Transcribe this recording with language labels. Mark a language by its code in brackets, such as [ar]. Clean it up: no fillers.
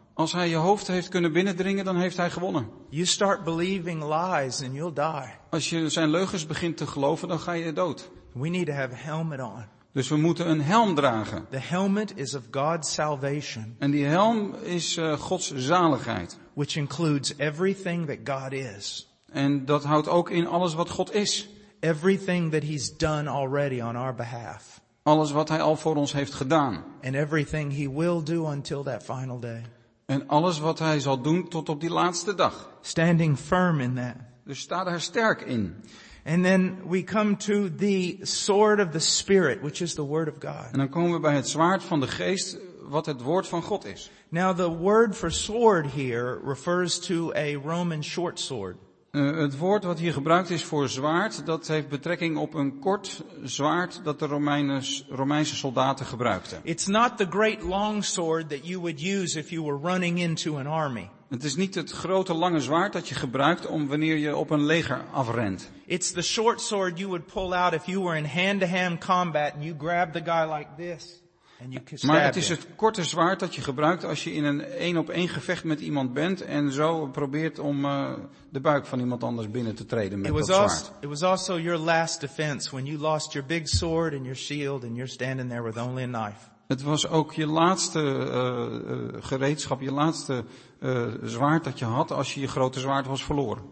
[nl] Als hij je hoofd heeft kunnen binnendringen, dan heeft hij gewonnen. [en] You start believing lies and you'll die. [nl] Als je zijn leugens begint te geloven, dan ga je dood. [en] We need to have a helmet on. [nl] Dus we moeten een helm dragen. [en] The helmet is of God's salvation. [nl] En die helm is Gods zaligheid. [en] Which includes everything that God is. [nl] En dat houdt ook in alles wat God is. [en] Everything that he's done already on our behalf. [nl] Alles wat hij al voor ons heeft gedaan. [en] And everything he will do until that final day. [nl] En alles wat hij zal doen tot op die laatste dag. [en] Standing firm in that. [nl] Dus sta daar sterk in. [en] And then we come to the sword of the Spirit, which is the word of God. [nl] En dan komen we bij het zwaard van de geest, wat het woord van God is. [en] Now the word for sword here refers to a Roman short sword. [nl] Het woord wat hier gebruikt is voor zwaard, dat heeft betrekking op een kort zwaard dat de Romeinse soldaten gebruikten. [en] It's not the great long sword that you would use if you were running into an army. [nl] Het is niet het grote lange zwaard dat je gebruikt om wanneer je op een leger afrent. [en] It's the short sword you would pull out if you were in hand-to-hand combat and you grab the guy like this and you stab. [nl] Maar het is het korte zwaard dat je gebruikt als je in een één-op-één gevecht met iemand bent en zo probeert om de buik van iemand anders binnen te treden met dat zwaard. [en] It was also your last defense when you lost your big sword and your shield and you're standing there with only a knife. [nl] Het was ook je laatste gereedschap, je laatste zwaard dat je had als je je grote zwaard was verloren.